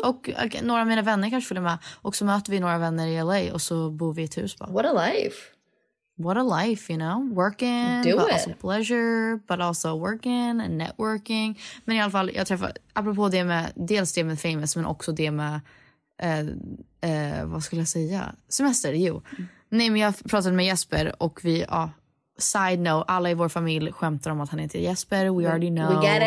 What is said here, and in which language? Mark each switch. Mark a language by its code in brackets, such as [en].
[sv] Och några av mina vänner kanske följer med. Och så möter vi några vänner i LA och så bor vi i ett hus. Bara. [en] What a life, you know? Working, but also pleasure, but also working and networking. [sv] Men i alla fall, jag träffar, apropå det med, dels det med famous, men också det med, vad skulle jag säga? Semester, jo. Mm. Nej, men jag pratade med Jesper och vi, [en] side note, [sv] alla i vår familj skämtar om att han heter Jesper. [en] We already know.